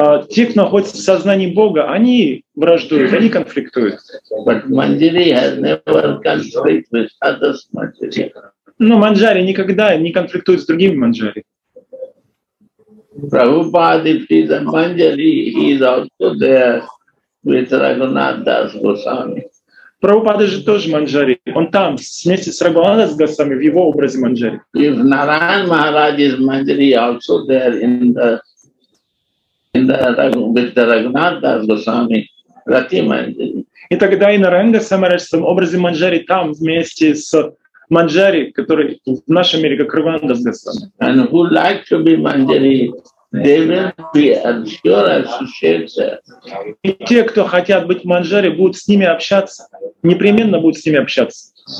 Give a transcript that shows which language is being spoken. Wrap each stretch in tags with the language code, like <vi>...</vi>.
<ru>Те, кто находится в сознании Бога, они враждуют, они конфликтуют.</ru> <en>But Manjari has never conflict with others Manjari.</en> <ru>Но Манджари никогда не конфликтует с другими Манджари.</ru> <en>Prabhupada, if he's a Manjari, he's also there with Raghunath Das Goswami.</en> <ru>Prabhupada же тоже Манджари. Он там вместе с Рагунатхом Госвами в его образе Манджари.</ru> <en>If Narayan Maharaj is Manjari, also there with Raghunath Das Goswami, Rati Manjari.</en> <ru>И тогда и Narayan Госвами в образе Манджари там вместе с Манджари, который в нашем мире как Рагунатхас Госвами.</ru> <en>And who like to be Manjari, they will be sure associated.</en> <ru>И те, кто хотят быть Манджари, будут с ними общаться, непременно будут с ними общаться.</ru>